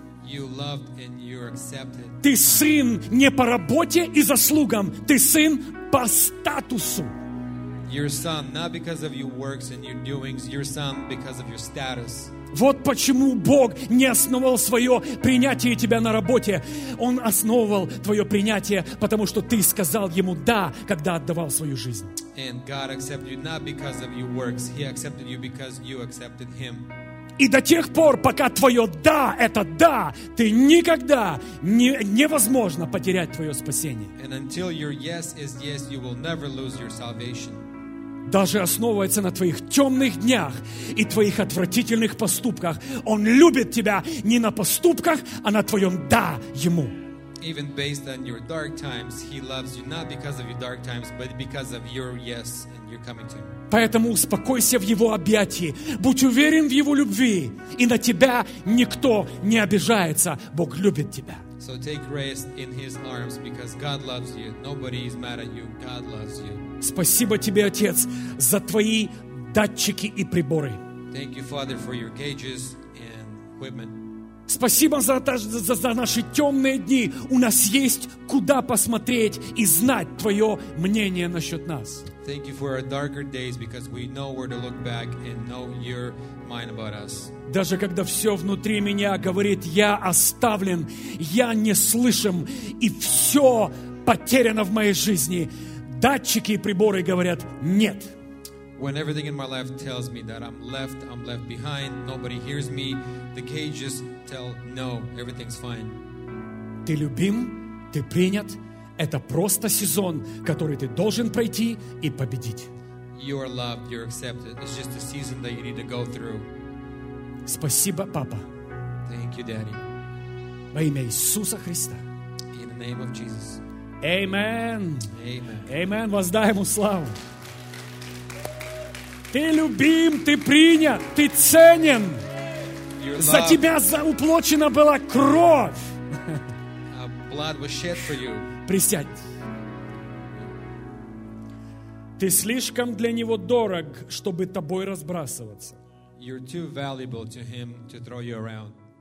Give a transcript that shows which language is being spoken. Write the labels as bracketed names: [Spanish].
[English] You loved and you accepted. [Russian] Ты сын не по работе и заслугам, ты сын по статусу. [English] Your son not because of your works and your doings, your son because of your status. [Russian] Вот почему Бог не основывал свое принятие тебя на работе. Он основывал твое принятие, потому что ты сказал ему «да», когда отдавал свою жизнь. [English] And God accepted you not because of your works, He accepted you because you accepted Him. [Russian] И до тех пор, пока твое «да» — это «да», ты никогда не, невозможно потерять твое спасение. [English] And until your yes is yes, you will never lose your salvation. [Russian] Даже основывается на твоих темных днях и твоих отвратительных поступках. Он любит тебя не на поступках, а на твоем «да» Ему. [English] Even based on your dark times, He loves you not because of your dark times, but because of your yes and your coming to Him. [Russian] Поэтому успокойся в Его объятии, будь уверен в Его любви, и на тебя никто не обижается. Бог любит тебя. [English] So take rest in His arms, because God loves you. Nobody is mad at you. God loves you. [Russian] Спасибо тебе, Отец, за твои датчики и приборы. [English] Thank you, Father, for your gauges and equipment. [Russian] Спасибо за наши темные дни. У нас есть куда посмотреть и знать Твое мнение насчет нас. [English] Thank you for our darker days because we know where to look back and know your mind about us. [Russian] Даже когда все внутри меня говорит, я оставлен, я не слышим, и все потеряно в моей жизни, датчики и приборы говорят нет. [English] When everything in my life tells me that I'm left behind, nobody hears me, the cages tell no, everything's fine. [Russian] Ты любим, ты принят, это просто сезон, который ты должен пройти и победить. [English] You are loved, you're accepted. It's just a season that you need to go through. [Russian] Спасибо, папа. [English] Thank you, Daddy. [Russian] Во имя Иисуса Христа. [English] In the name of Jesus. Amen. Amen. [Russian] Amen. Воздай ему славу. Ты любим, ты принят, ты ценен. За тебя уплочена была кровь. [English] Blood was shed for you. [Russian] Присядь. Ты слишком для него дорог, чтобы тобой разбрасываться. [English] You're too valuable to him to throw you around.